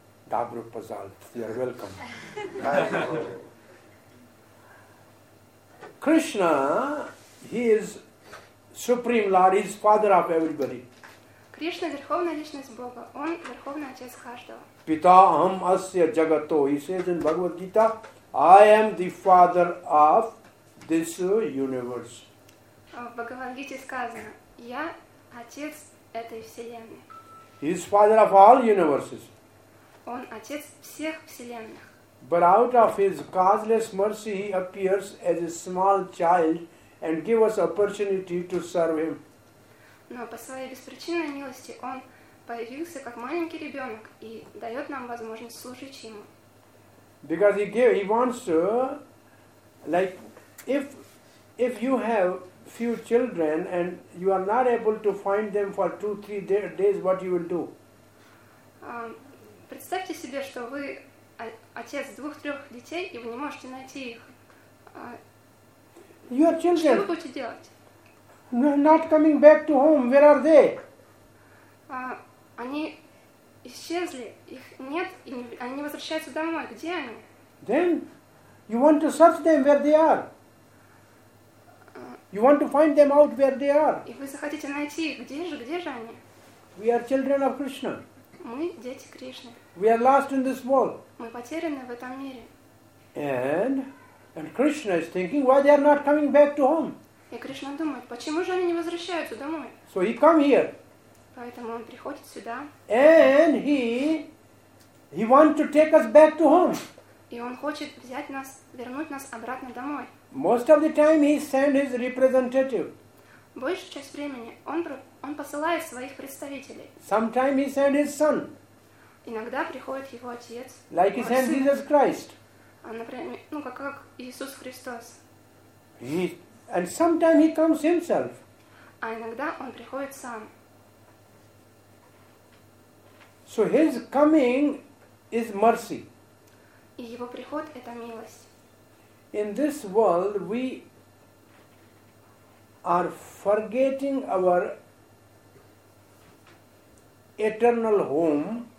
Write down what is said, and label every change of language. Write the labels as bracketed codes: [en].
[ru] Dabru Pazal, [en] you are welcome. Krishna, he is supreme lord, he is father of everybody. [ru] Krishna верховная личность Бога, он верховный отец каждого. [sa] Pita aham asya jagato, [en] he says in Bhagavad Gita, I am the father of this universe. [ru] В Bhagavad Gita сказано, я отец этой вселенной. [en] He is father of all universes. [ru] Он отец всех вселенных. [en] But out of his causeless mercy, he appears as a small child and gives us opportunity to serve him. [ru] Но по своей беспричинной милости он появился как маленький ребенок и дает нам возможность служить ему. [en] Because he wants to, like, if you have few children and you are not able to find them for 2-3 days, what you will do? [ru] Представьте себе, что вы отец двух-трех детей, и вы не можете найти их. [en] Your children. [ru] Что вы будете делать? [en] Not coming back to home. Where are they? [ru] Они исчезли. Их нет, и они не возвращаются домой. Где они? [en] Then you want to search them where they are. You want to find them out where they are. [ru] И вы захотите найти их. Где же они? [en] We are children of Krishna. [ru] Мы дети Кришны. [en] We are lost in this world. [ru] Мы потеряны в этом мире. [en] And Krishna is thinking why they are not coming back to home. [ru] И Кришна думает, почему же они не возвращаются домой? [en] So he come here. [ru] Поэтому он приходит сюда. [en] And he want to take us back to home. [ru] И он хочет взять нас, вернуть нас обратно домой. [en] Most of the time he send his representative. [ru] Большую часть времени он посылает своих представителей. [en] Sometimes he send his son. [ru] Иногда приходит его отец. [en] Like his name Jesus Christ. [ru] А, например, ну как Иисус Христос. [en] And sometimes he comes himself. [ru] А иногда он приходит сам. [en] So his coming is mercy. [ru] И его приход это милость. [en] In this world we are forgetting our eternal home.